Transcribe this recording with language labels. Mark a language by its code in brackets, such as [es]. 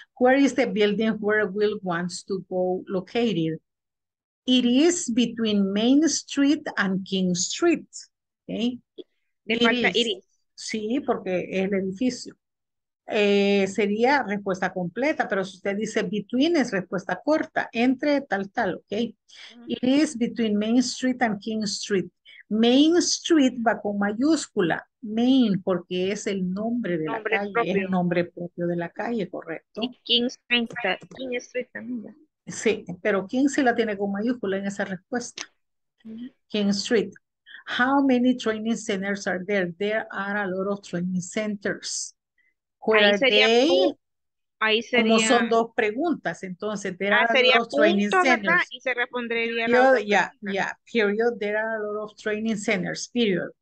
[en] Where is the building where Will wants to go located? It is between Main Street and King Street. Ok. [es] Le falta Iris. Sí, porque es el edificio. Sería respuesta completa, pero si usted dice between es respuesta corta, entre tal tal, ok. [en] It is between Main Street and King Street. [es] Main Street va con mayúscula, Main, porque es el nombre de nombre la calle, propio. Es el nombre propio de la calle, correcto. Y King Street, King Street también. Sí, pero King sí la tiene con mayúscula en esa respuesta. [en] King Street. How many training centers are there? There are a lot of training centers. Where [es] ahí sería [en] they? [es] Ahí sería. Como son dos preguntas, entonces [en] there are [es] sería [en] a lot of training centers. [es] Y se respondería [en] period, la yeah, period, there are a lot of training centers, period.